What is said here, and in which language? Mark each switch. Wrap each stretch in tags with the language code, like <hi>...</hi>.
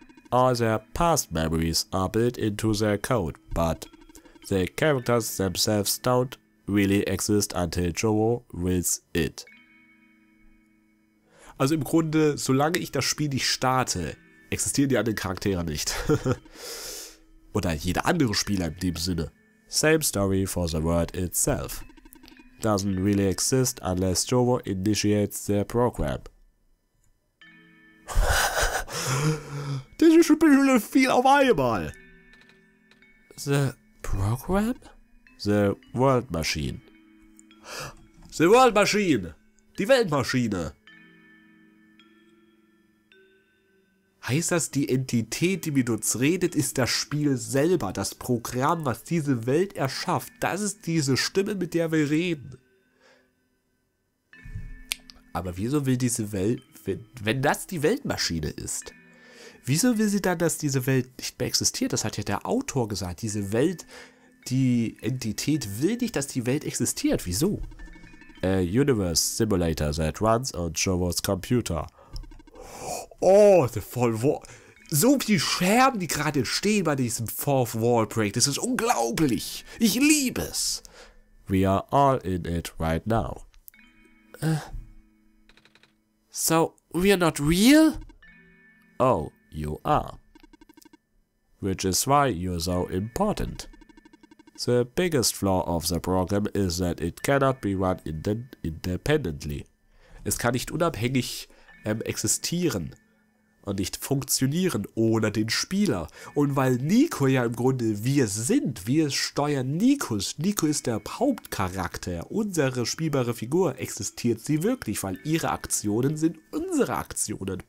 <en>All their past memories are built into their code, but the characters themselves don't really exist until Chovo wills it.</en> <de>Also im Grunde, solange ich das Spiel nicht starte, existieren die anderen Charaktere nicht. Oder jeder andere Spieler in dem Sinne.</de> <en>Same story for the world itself. Doesn't really exist unless Chovo initiates the program.</en> <de>Das ist schon viel auf einmal.</de> <en>The program? The World Machine. The World Machine!</en> <de>Die Weltmaschine! Heißt das, die Entität, die mit uns redet, ist das Spiel selber, das Programm, was diese Welt erschafft? Das ist diese Stimme, mit der wir reden. Aber wieso will diese Welt, wenn das die Weltmaschine ist? Wieso will sie dann, dass diese Welt nicht mehr existiert? Das hat ja der Autor gesagt. Diese Welt, die Entität will nicht, dass die Welt existiert. Wieso?</de> <en>A universe simulator that runs on Chovo's computer. Oh, the full wall.</en> <de>So viele Scherben, die gerade stehen bei diesem Fourth Wall Break. Das ist unglaublich. Ich liebe es.</de> <en>We are all in it right now. So, we're not real? Oh, you are. Which is why you're so important. The biggest flaw of the program is that it cannot be run independently.</en> <de>Es kann nicht unabhängig existieren und nicht funktionieren ohne den Spieler. Und weil Nico ja im Grunde wir sind, wir steuern Nikos. Nico ist der Hauptcharakter. Unsere spielbare Figur, existiert sie wirklich, weil ihre Aktionen sind unsere Aktionen.</de>